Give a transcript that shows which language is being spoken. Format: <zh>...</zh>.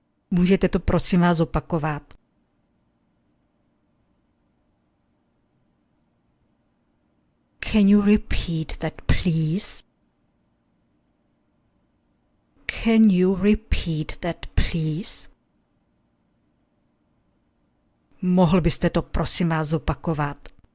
<cs>Můžete to, prosím vás, opakovat?</cs> <en>Can you repeat that, please? Can you repeat that, please?</en> <cs>Mohl byste to, prosím vás, opakovat?</cs>